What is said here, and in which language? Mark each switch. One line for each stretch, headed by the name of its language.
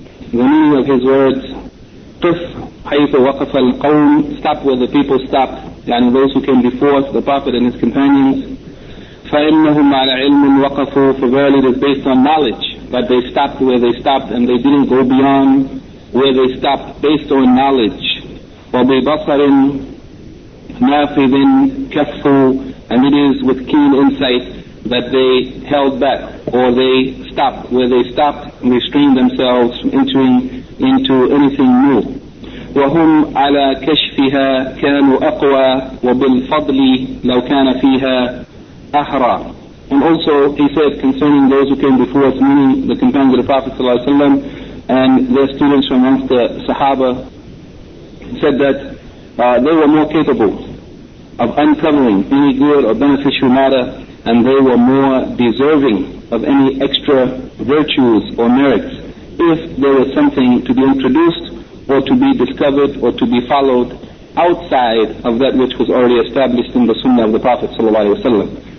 English: the meaning of his words,
Arabic: قف حيث وقف القوم,
English: stop where the people stopped, and those who came before us, the Prophet and his companions,
Arabic: فإنهم على علم وقفوا,
English: for verily it is based on knowledge that they stopped where they stopped and they didn't go beyond where they stopped, based on knowledge.
Arabic: وببصر نافذ كفوا,
English: and it is with keen insight that they held back or they stopped where they stopped and restrained themselves from entering into anything new.
Arabic: وهم على كشفها كانوا أقوى وبالفضل لو كان فيها أحرى.
English: And also he said concerning those who came before us, meaning the companions of the Prophet ﷺ and their students from amongst the Sahaba, said that they were more capable of uncovering any good or beneficial matter, and they were more deserving of any extra virtues or merits if there was something to be introduced or to be discovered or to be followed outside of that which was already established in the Sunnah of the Prophet ﷺ.